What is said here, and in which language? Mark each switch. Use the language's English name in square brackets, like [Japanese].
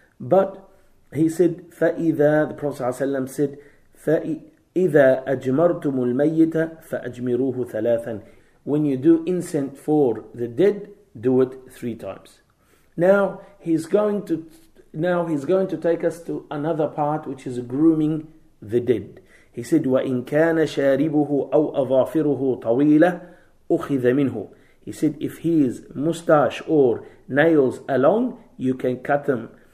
[English] But he said, فَإِذَا, the Prophet sallallahu alaihi wasallam said, [Arabic] فَإِذَا أَجْمَرْتُمُ الْمَيِّتَ فَأَجْمِرُوهُ ثَلَاثًا. [English] When you do incense for the dead, do it three times. Now he's going to take us to another part, which is grooming the dead. He said, [Arabic] وَإِنْ كَانَ شَارِبُهُ أَوْ أَظَافِرُهُ طَوِيلَةً أُخِذَ مِنْهُ. [English] He said, if his moustache or nails are long, you can cut them.